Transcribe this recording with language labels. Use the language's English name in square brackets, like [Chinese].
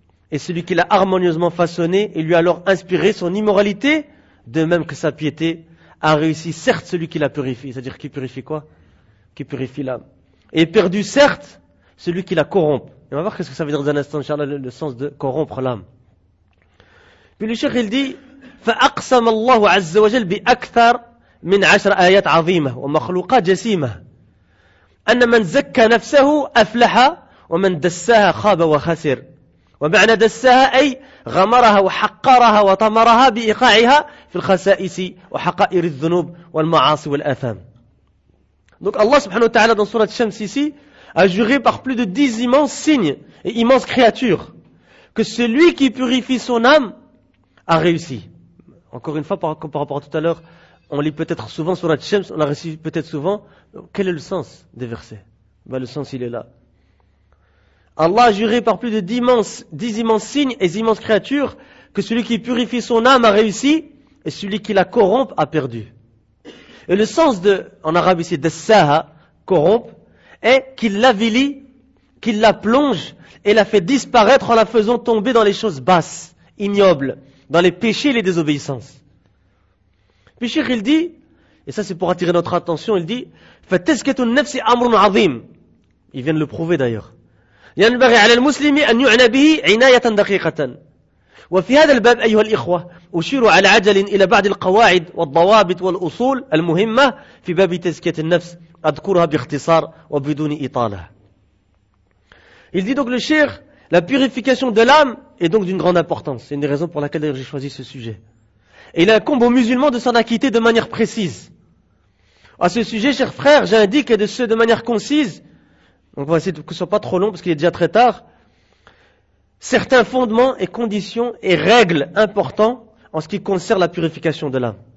[French] Et celui qui l'a harmonieusement façonné et lui a alors inspiré son immoralité, de même que sa piété a réussi certes celui qui l'a purifié. C'est-à-dire qui purifie quoi? Qui purifie l'âme. Et perdu certes celui qui la corrompt. Et on va voir qu'est-ce que ça veut dire dans un instant, Inch'Allah, le sens de corrompre l'âme. Puis le cheikh, il dit, [Arabic] فأقسم الله عز وجل بأكثر من عشر آيات عظيمة ومخلوقات جسيمة أن من زكى نفسه أفلح ومن دساها خاب وخسر. ومعنى دسها أي غمرها وحقرها وطمرها بإيقاعها في الخسائس وحقائر الذنوب والمعاصي والآثام. [French] Donc Allah subhanahu wa ta'ala dans sourate Shams ici a juré par plus de 10 immenses signes et immenses créatures que celui qui purifie son âme a réussi. Encore une fois, par rapport à tout à l'heure, on lit peut-être souvent sourate Shams, on la récite peut-être souvent. Quel est le sens des versets? Le sens il est là. Allah a juré par plus de 10 immenses signes et immenses créatures que celui qui purifie son âme a réussi et celui qui la corrompt a perdu. Et le sens de, en arabe ici, de saha, corrompt, est qu'il l'avilie, qu'il la plonge et la fait disparaître en la faisant tomber dans les choses basses, ignobles, dans les péchés et les désobéissances. Puis Cheikh, il dit, et ça c'est pour attirer notre attention, il dit, [Arabic] فَتَسْكَتُ النَّفْسِ أَمْرٌ عَظِيمٌ. [French] Il vient de le prouver d'ailleurs. [Arabic] ينبغي على المسلم أن يعنى به عناية دقيقة وفي هذا الباب أيها الإخوة أشير على عجل إلى بعض القواعد والضوابط والأصول المهمة في باب تزكية النفس أذكرها باختصار وبدون إطالة. [French] Il dit donc le cheikh, la purification de l'âme est donc d'une grande importance. C'est une des raisons pour laquelle j'ai choisi ce sujet. Et il incombe aux musulmans de s'en acquitter de manière précise. À ce sujet, chers frères, j'indique de ce de manière concise, donc on va essayer que ce soit pas trop long parce qu'il est déjà très tard, certains fondements et conditions et règles importants en ce qui concerne la purification de l'âme.